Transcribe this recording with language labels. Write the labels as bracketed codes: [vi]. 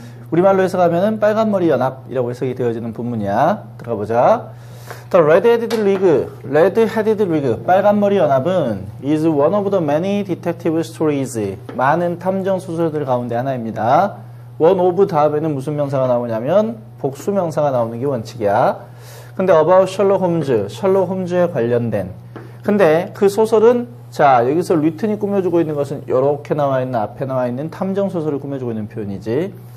[ko] 우리말로 해석하면 빨간머리 연합이라고 해석이 되어지는 본문이야. 들어가보자. [en] The Red-Headed League, [ko] 빨간머리 연합은 [en] is one of the many detective stories. [ko] 많은 탐정 소설들 가운데 하나입니다. One of 다음에는 무슨 명사가 나오냐면 복수 명사가 나오는 게 원칙이야. 근데 [en] About Sherlock Holmes, [ko] 셜록 홈즈에 관련된. 근데 그 소설은 자, 여기서 리튼이 꾸며주고 있는 것은 이렇게 나와 있는, 앞에 나와 있는 탐정 소설을 꾸며주고 있는 표현이지.